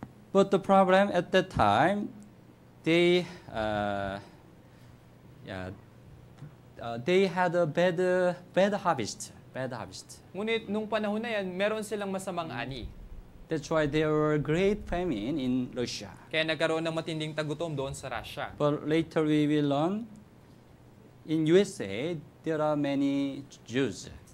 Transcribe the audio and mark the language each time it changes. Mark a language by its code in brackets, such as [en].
[en] But the problem at that time, they had a bad harvest. [tl] Ngunit nung panahon na yan, meron silang masamang ani. [en] That's why there were great famine in Russia. [tl] Kaya nagkaroon ng matinding tagutom doon sa Russia. [en] But later we will learn, in USA, there are many Jews.